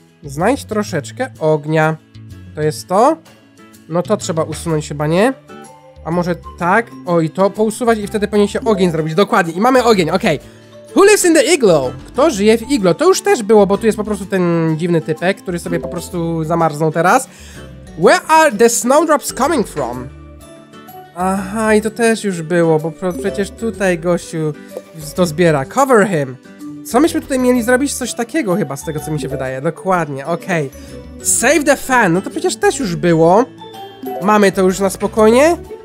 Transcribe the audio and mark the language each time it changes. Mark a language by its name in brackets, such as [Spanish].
[Polish] Znajdź troszeczkę ognia. To jest to? No to trzeba usunąć chyba, nie? A może tak? O, i to pousuwać i wtedy powinien się ogień zrobić. Dokładnie, i mamy ogień, okej. [English] Okay. Who lives in the igloo? [Polish] Kto żyje w iglo? To już też było, bo tu jest po prostu ten dziwny typek, który sobie po prostu zamarznął teraz. [English] Where are the snowdrops coming from? [Polish] Aha, i to też już było, bo przecież tutaj gościu to zbiera. [English] Cover him. [Polish] Co myśmy tutaj mieli zrobić? Coś takiego chyba, z tego co mi się wydaje. Dokładnie, okej. [English] Okay. Save the fan. [Polish] No to przecież też już było. Mamy to już na spokojnie.